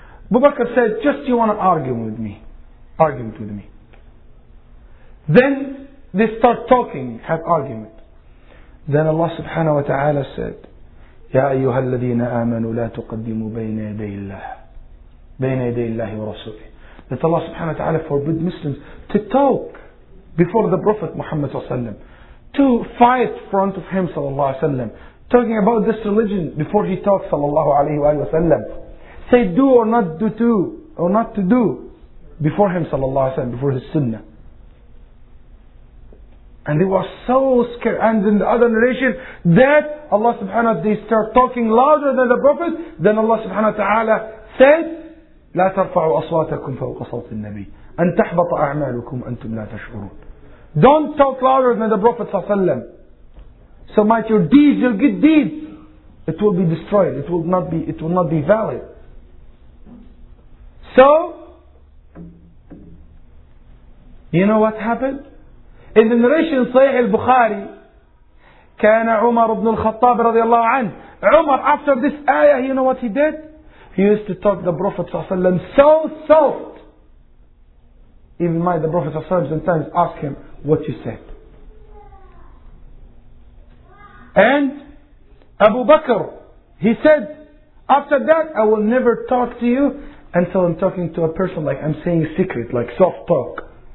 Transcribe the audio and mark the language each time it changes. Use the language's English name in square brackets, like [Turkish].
[English] Abu Bakr said, just you want to argue with me. Then they start talking, have argument. Then Allah subhanahu wa ta'ala said, [Arabic] يَا أَيُّهَا الَّذِينَ آمَنُوا لَا تُقَدِّمُوا بَيْنَ يَدَيِ اللَّهِ بَيْنَ يَدَيِ اللَّهِ وَرَسُولِهِ. [English] That Allah subhanahu wa ta'ala forbid Muslims to talk before the Prophet Muhammad sallallahu alayhi wa sallam, to fight in front of him sallallahu alayhi wa sallam, talking about this religion before he talks sallallahu alayhi wa sallam. Say do or not do to, or not to do before him sallallahu alayhi wa sallam, before his sunnah. And they were so scared. And in the other narration, that Allah subhanahu wa ta'ala, they start talking louder than the Prophet, then Allah subhanahu wa ta'ala said, [Arabic] لا ترفعوا أصواتكم فوق صوت النبي أن تحبط أعمالكم أنتم لا تشعرون. [English] Don't talk louder than the Prophet sallallahu alayhi wa sallam. So might your good deeds, it will be destroyed. It will not be valid. So, you know what happened? In the narration Sahih al-Bukhari, [Arabic] كان عمر بن الخطاب رضي الله عنه. [English] Umar, after this ayah, you know what he did? He used to talk to the Prophet ﷺ so soft. Even my the Prophet ﷺ sometimes ask him, what you said? And Abu Bakr, he said, after that, I will never talk to you until I'm talking to a person like I'm saying secret, like soft talk.